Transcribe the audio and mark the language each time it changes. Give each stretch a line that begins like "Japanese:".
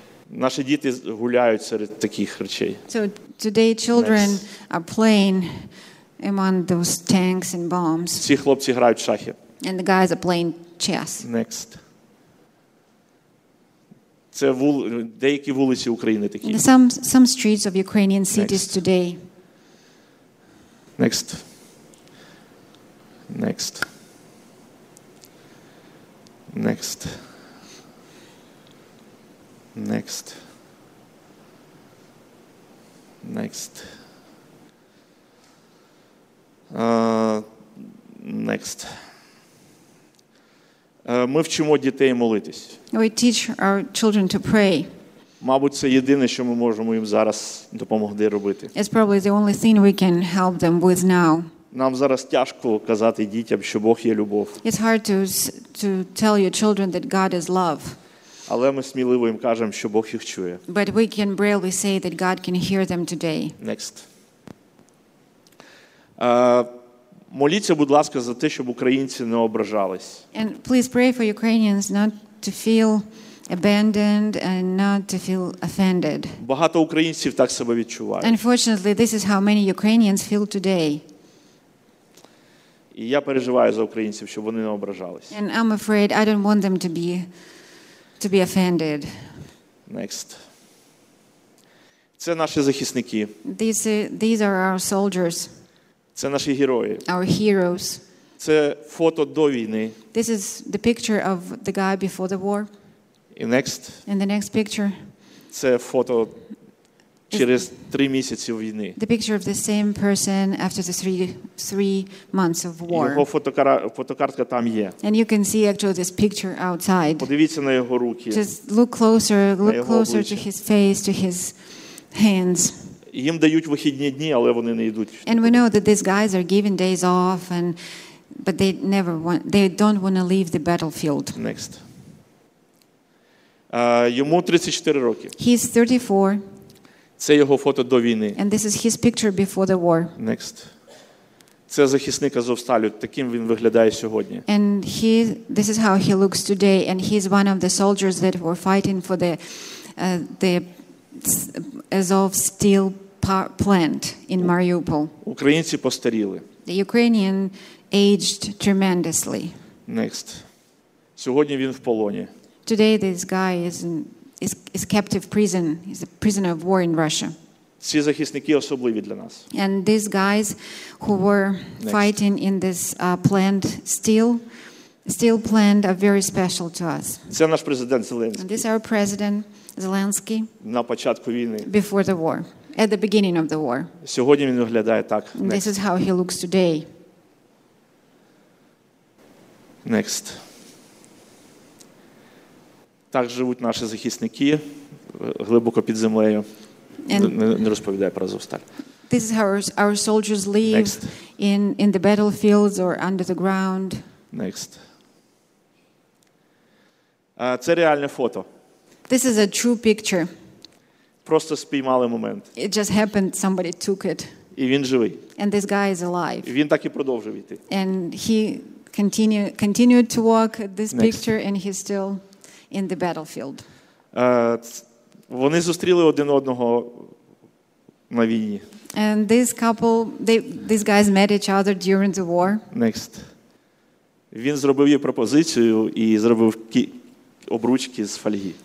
Ukrainian: Наші діти гуляють серед таких речей.
English: So today children Next. Are playing among those tanks and bombs.
Ukrainian: Ці хлопці грають в шахи.
English: And the guys are playing chess. Next.
Ukrainian: Це деякі вулиці України такі.
English: Some streets of Ukrainian cities Next. Today. Next. Next. Next. Next. Next. Next.
Ukrainian: Ми вчимо дітей молитись.
English: We teach our children to pray.
Ukrainian: Мабуть, це єдине, що ми можемо їм зараз допомогти робити.
English: It's probably the only thing we can help them with now.
Ukrainian: Нам зараз тяжко казати дітям, що Бог є любов.
English: It's hard to tell your children that God is love.
Ukrainian: Але ми сміливо їм кажемо, що Бог їх чує.
English: But we can bravely say that God can hear them today. Next.
Ukrainian: Моліться, будь ласка, за те, щоб українці не ображались.
English: And please pray for Ukrainians not to feel abandoned and not to feel offended.
Ukrainian: Багато українців так себе відчувають.
English: Unfortunately, this is how many Ukrainians feel today.
Ukrainian: І я переживаю за українців, щоб вони не ображались.
English: And I'm afraid I don't want them to be offended. Next.
Ukrainian: Це наші захисники.
English: These are our soldiers.
Ukrainian: Це наші герої.
English: Our heroes.
Ukrainian: Це фото до війни.
English: This is the picture of the guy before the war. And next. And the next picture.
Ukrainian: Це фото через 3 місяці війни.
English: The picture of the same person after the 3 months of war.
Ukrainian: Його фотокартка там є.
English: And you can see actually this picture outside.
Ukrainian: Подивіться на його руки.
English: Just look closer to his face, to his hands.
Ukrainian: Їм дають вихідні дні, але вони не йдуть.
English: And we know that these guys are given days off and but they never want they don't want to leave the battlefield. Next.
Ukrainian: Йому 34 роки.
English: He's 34.
Ukrainian: Це його фото до війни.
English: And this is his picture before the war. Next.
Ukrainian: Це захисник Азовсталю, таким він виглядає сьогодні.
English: And this is how he looks today and he's one of the soldiers that were fighting for the Azov steel plant in Mariupol.
Ukrainian: Українці постаріли.
English: The Ukrainian aged tremendously. Next.
Ukrainian: Сьогодні він в полоні.
English: Today this guy is captive prison. He's a prisoner of war in Russia.
Ukrainian: Ці захисники особливі для нас.
English: And these guys who were fighting in this plant steel plant are very special to us.
Ukrainian: Це наш президент Зеленський.
English: And this is our president Zelensky.
Ukrainian: На початку війни.
English: Before the war. At the beginning of the war.
Ukrainian: Сьогодні він виглядає так.
English: This is how he looks today. Next.
Ukrainian: Так живуть наші захисники глибоко під землею. Не розповідає про Азовсталь.
English: This is how our soldiers live in the battlefields or under the ground. Next.
Ukrainian: Це реальне фото.
English: This is a true picture.
Ukrainian: Просто спіймали момент.
English: It just happened, somebody took it.
Ukrainian: І він живий.
English: And this guy is alive.
Ukrainian: І він так і продовжив іти.
English: And he continued to walk this Next. Picture and he's still in the battlefield.
Ukrainian: Вони зустріли один одного на війні.
English: And this couple, these guys met each other during the war. Next.
Ukrainian: Він зробив їй пропозицію і зробив обручки з фольги.